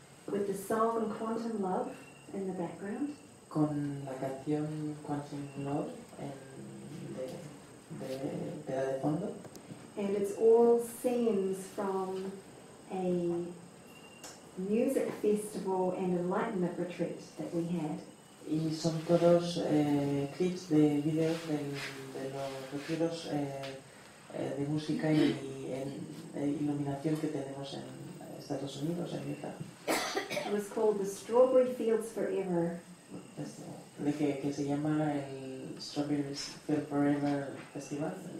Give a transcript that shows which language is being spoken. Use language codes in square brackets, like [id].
[en] With the song Quantum Love in the background. [es] Con la canción Quantum Love en de fondo. [en] And it's all scenes from a music festival and enlightenment retreat that we had. [es] Y son todos clips de videos de los retiros de música y iluminación que tenemos en Estados Unidos, en Viva. [en] It was called the Strawberry Fields Forever. [es] De que se llama el Strawberry Fields Forever Festival.